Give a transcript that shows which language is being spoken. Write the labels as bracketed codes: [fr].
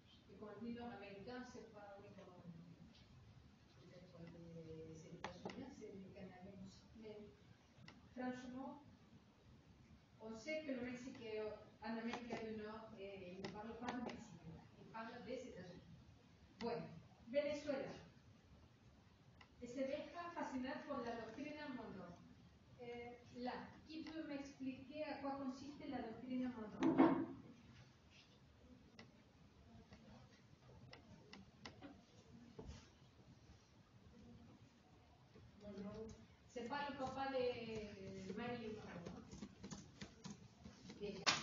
[fr] Et quand on dit Nord-Américains, c'est pas les Colombiens. Peut-être les États-Unis, c'est les Canadiens aussi. Mais franchement, on sait que le Mexique est en Amérique du Nord et il ne parle pas du Mexique, il parle des États-Unis. [es] Bueno, Venezuela. [fr] Et [es] se deja fascinar por la doctrina Monroe. [fr] Là, qui peut m'expliquer à quoi consiste la doctrine Monroe? Monroe, c'est pas le papa de Marilyn Monroe. Déjà.